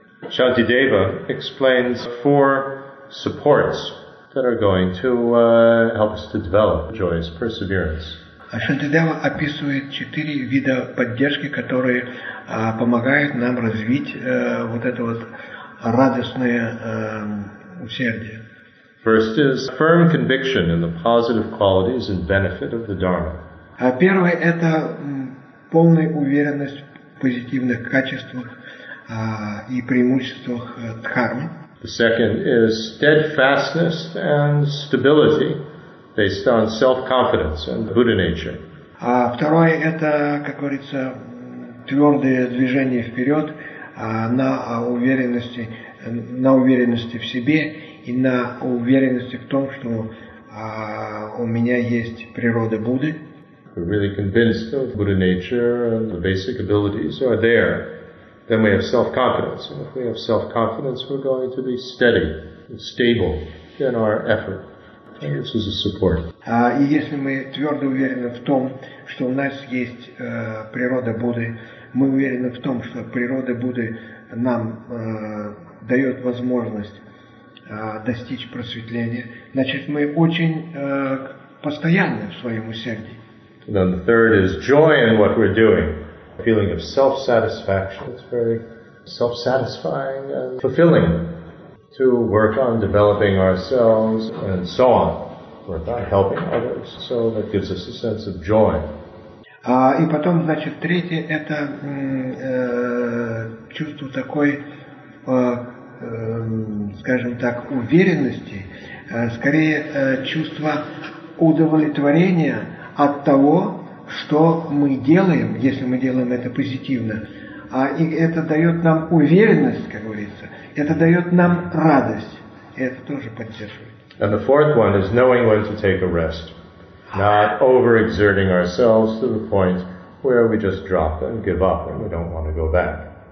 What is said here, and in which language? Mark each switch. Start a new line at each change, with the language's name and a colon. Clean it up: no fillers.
English: Shantideva explains four supports that are going to help us to develop joyous perseverance.
Russian: Шантидева описывает четыре вида поддержки, которые помогают нам развить вот это вот радостное усердие.
English: First is firm conviction in the positive qualities and benefit of the Dharma.
Russian: Первое – это полная уверенность в позитивных качествах и преимуществах дхармы.
English: The second is steadfastness and stability based on self-confidence and Buddha nature.
Russian: Второе – это, как говорится, твердое движение вперед на уверенности в себе и на уверенности в том, что у меня есть природа Будды.
English: We're really convinced of Buddha nature and the basic abilities are there. Then we have self-confidence. And if we have self-confidence, we're going to be steady and stable in our effort. And this is a support.
Russian: И если мы твердо уверены в том, что у нас есть природа Будды, мы уверены в том, что природа Будды нам дает возможность достичь просветления, значит, мы очень постоянны в своем усердии.
English: And then the third is joy in what we're doing, a feeling of self-satisfaction. It's very self-satisfying and fulfilling to work on developing ourselves and so on, work on helping others. So that gives us a sense of joy.
Russian: И потом, значит, третье – это чувство такой, скажем так, уверенности, скорее чувство удовлетворения от того, что мы делаем, если мы делаем это позитивно. И это дает нам уверенность, как говорится, это дает нам радость. И это тоже поддерживает.
English: And the fourth one is knowing when to take a rest. Not overexerting ourselves to the point where we just drop and give up and we don't want to go back.